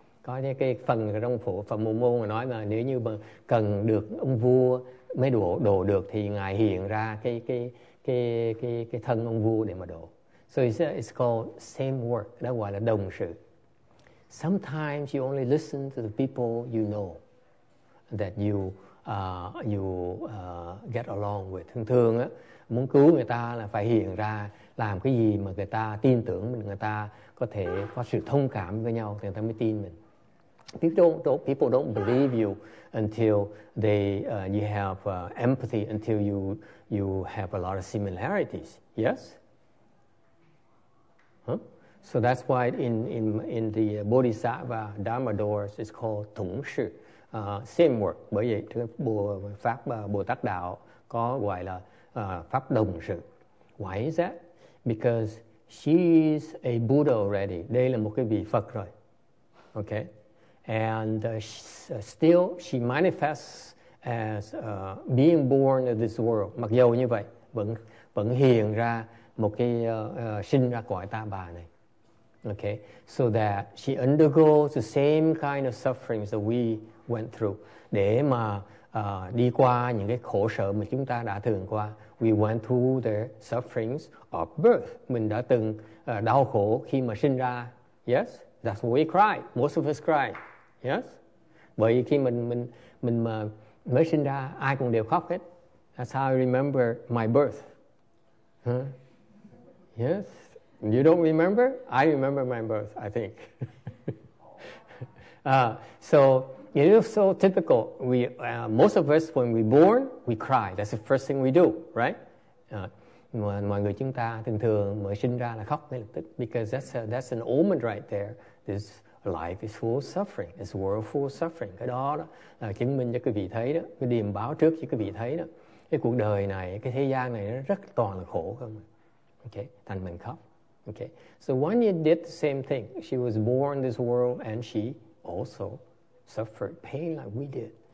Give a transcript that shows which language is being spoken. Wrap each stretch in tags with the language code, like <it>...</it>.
<vi>Có những cái phần trong phổ phẩm phổ môn mà nói mà nếu như mà cần được ông vua mới đổ được thì ngài hiện ra cái thân ông vua để mà đổ.</vi> <en>So it's called same work.</en> <vi>Đó gọi là đồng sự.</vi> <en>Sometimes you only listen to the people you know that you get along with.</en> <vi>Thường thường á, muốn cứu người ta là phải hiện ra làm cái gì mà người ta tin tưởng, người ta có thể có sự thông cảm với nhau thì người ta mới tin mình.</vi> <en>People don't believe you until you have empathy, until you have a lot of similarities. Yes? So that's why in the Bodhisattva Dharma doors it's called Tung Shi, same work.</en> <vi>Bởi vậy pháp Bồ Tát Đạo có gọi là pháp đồng sự.</vi> <en>Why is that? Because she is a Buddha already.</en> <vi>Đây là một cái vị Phật rồi.</vi> <en>Okay? And still she manifests as being born in this world.</en> <vi>Mặc dù như vậy, vẫn hiện ra một cái sinh ra cõi ta bà này.</vi> <en>Okay, so that she undergoes the same kind of sufferings that we went through.</en> <vi>Để mà đi qua những cái khổ sở mà chúng ta đã thường qua.</vi> <en>We went through the sufferings of birth.</en> <vi>Mình đã từng đau khổ khi mà sinh ra.</vi> <en>Yes, that's why we cry. Most of us cry. Yes,</en> <vi>bởi vì khi mình mà mới sinh ra, ai cũng đều khóc hết.</vi> <en>That's how I remember my birth. Huh? Yes. You don't remember? I remember my birth, I think. So it is so typical. We most of us, when we're born, we cry. That's the first thing we do, right?</en> <vi>Mọi người chúng ta thường thường mới sinh ra là khóc ngay lập tức.</vi> <en>Because that's an omen right there. This life is full of suffering. This world is full of suffering.</en> <vi>Cái đó là chứng minh cho quý vị thấy đó. Cái điềm báo trước cho quý vị thấy đó. Cái cuộc đời này, cái thế gian này nó rất toàn là khổ không?</vi> <en>Okay,</en> <vi>thành mình khóc.</vi> <en>Okay, so Wanya did the same thing. She was born in this world and she also suffered pain like we did.</en>